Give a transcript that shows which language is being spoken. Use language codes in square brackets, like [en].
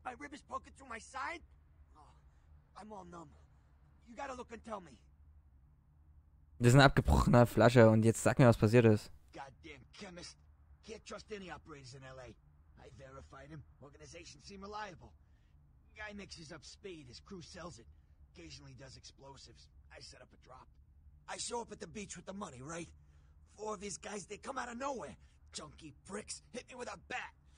[en] My rib is poking through my side? Oh, I'm all numb. You gotta look and tell me. [de] Das ist eine abgebrochene Flasche und jetzt sag mir, was passiert ist. [en] Goddamn chemist. Can't trust any operators in L.A. I verified him. Organization seemed reliable. Guy mixes up speed. His crew sells it. Occasionally does explosives. I set up a drop. I show up at the beach with the money, right? Four of these guys, they come out of nowhere. Junkie pricks. Hit me with a bat.